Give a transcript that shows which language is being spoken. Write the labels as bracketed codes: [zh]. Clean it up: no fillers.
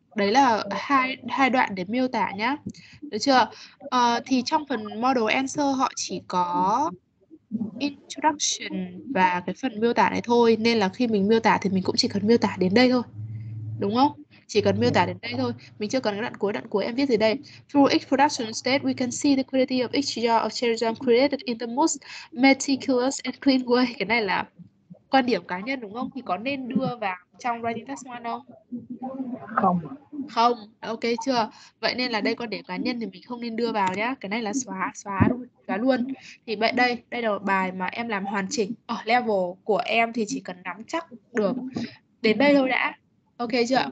[vi] Đấy là hai đoạn để miêu tả nhá. Được chưa? Thì trong phần model answer họ chỉ có introduction và cái phần miêu tả này thôi. Nên là khi mình miêu tả thì mình cũng chỉ cần miêu tả đến đây thôi. Đúng không? Chỉ cần miêu tả đến đây thôi. Mình chưa cần cái đoạn cuối em viết gì đây. [en] Through each production state, we can see the quality of each jar of cherry jam created in the most meticulous and clean way. [vi] Cái này là quan điểm cá nhân đúng không? Thì có nên đưa vào trong writing task 1 không? Không. Không, ok chưa? Vậy nên là đây quan điểm cá nhân thì mình không nên đưa vào nhá. Cái này là xóa luôn. Thì vậy đây là bài mà em làm hoàn chỉnh. Ở level của em thì chỉ cần nắm chắc được đến đây thôi đã. Ok chưa?